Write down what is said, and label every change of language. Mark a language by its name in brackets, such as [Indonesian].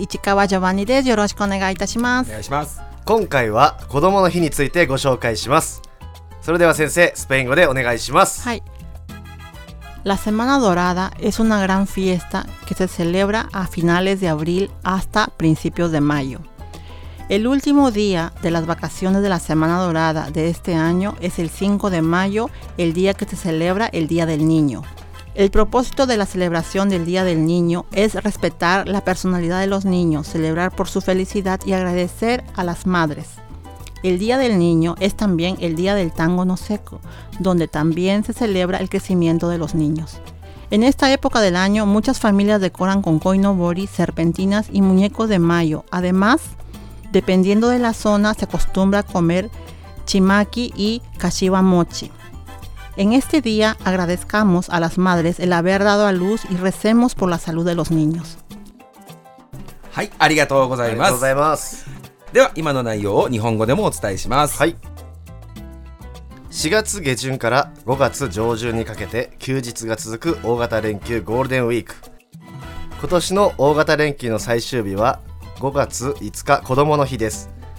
[Japanese] 市川ジョバンニです。よろしくお願いいたします。お願いします。今回は子供の日についてご紹介します。それでは先生、スペイン語でお願いします。はい。 [Spanish] La Semana Dorada es una gran fiesta que se celebra a finales de abril hasta principios de mayo. El último día de las vacaciones de la Semana Dorada de este año es el 5 de mayo, el día que se celebra el Día del Niño. El propósito de la celebración del Día del Niño es respetar la personalidad de los niños, celebrar por su felicidad y agradecer a las madres. El Día del Niño es también el Día del Tango No Seco, donde también se celebra el crecimiento de los niños. En esta época del año, muchas familias decoran con koinobori, serpentinas y muñecos de mayo. Además, dependiendo de la zona, se acostumbra a comer chimaki y kashiwa mochi. En este día, agradezcamos a las madres el haber dado a luz y recemos por la salud de los niños. [Japanese] Hay, arigatou gozaimasu. Arigatou gozaimasu. では今の内容を日本語でもお伝えします。はい。 4月下旬から5月上旬にかけて休日が続く大型連休ゴールデンウィーク。今年の大型連休の最終日は5月5日子供の日です。